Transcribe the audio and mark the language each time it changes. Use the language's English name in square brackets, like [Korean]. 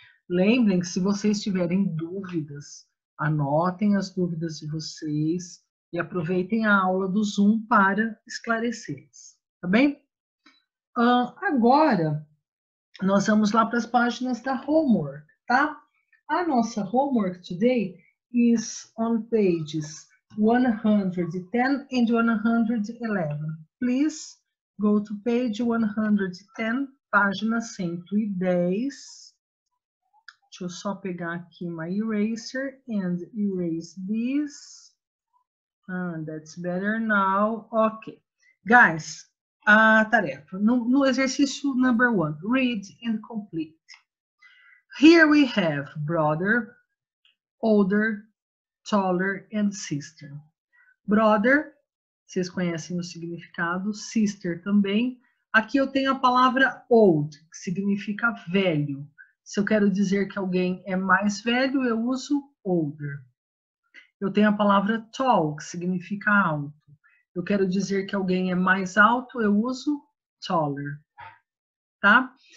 [Portuguese] Lembrem que se vocês tiverem dúvidas, anotem as dúvidas de vocês e aproveitem a aula do Zoom para esclarecê-las, tá bem? Agora, nós vamos lá para as páginas da homework, tá? A nossa [English] homework today is on pages 110 and 111. Please go to page 110, [Portuguese] página 110. Deixa eu só pegar aqui [English] my eraser and erase this. Ah, that's better now. Ok. Guys, [Portuguese] a tarefa. No exercício [English] number 1, read and complete. Here we have brother, older, taller and sister. [Portuguese] Brother, vocês conhecem o significado, sister também. Aqui eu tenho a palavra old, que significa velho. Se eu quero dizer que alguém é mais velho, eu uso older. Eu tenho a palavra tall, que significa alto. Eu quero dizer que alguém é mais alto, eu uso taller. Tá?